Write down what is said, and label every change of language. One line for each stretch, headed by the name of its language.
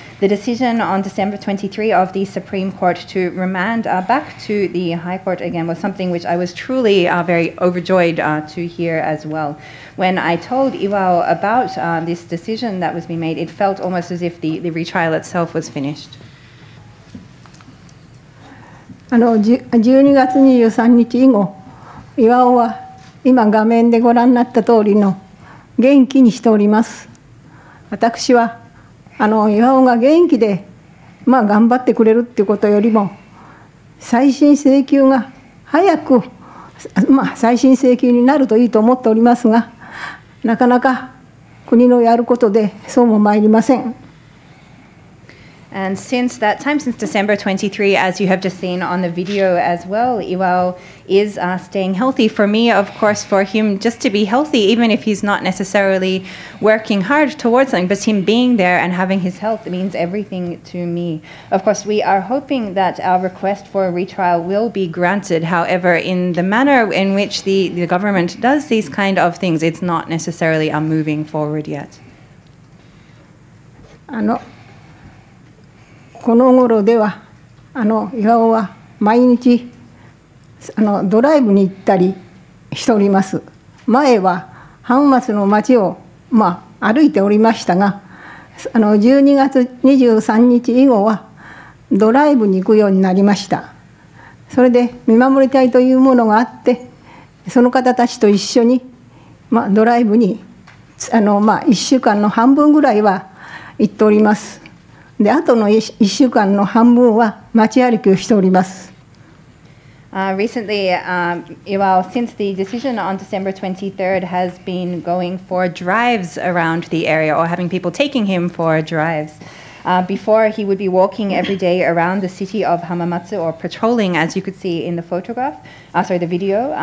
English: The decision on December 23 of the Supreme Court to remand back to the High Court again was something which I was truly very overjoyed to hear as well. When I told Iwao about this decision that was being made, it felt almost as if the retrial itself was finished.
Japanese: 12月23日以降、Iwao は今画面でご覧になった通りの元気にしております。私は岩尾が元気で、頑張ってくれるっていうことよりも、再審請求が早く、再審請求になるといいと思っておりますが、なかなか国のやることでそうも参りません。
English: And since that time, since December 23, as you have just seen on the video as well, Iwao is staying healthy. For me, of course, for him just to be healthy, even if he's not necessarily working hard towards something, but him being there and having his health means everything to me. Of course, we are hoping that our request for a retrial will be granted. However, in the manner in which the government does these kind of things, it's not necessarily moving forward yet.
Japanese: この頃では岩尾は毎日ドライブに行ったりしております。前は浜松の町を歩いておりましたが、12月23日以後はドライブに行くようになりました。それで見守り隊というものがあって、その方たちと一緒にドライブに1週間の半分ぐらいは行っております。で、あとの一週間の半分は街歩きをしております。
English: Recently, since the decision on December 23rd has been going for drives around the area or having people taking him for drives. Before, he would be walking every day around the city of Hamamatsu or patrolling, as you could see in the photograph, the video.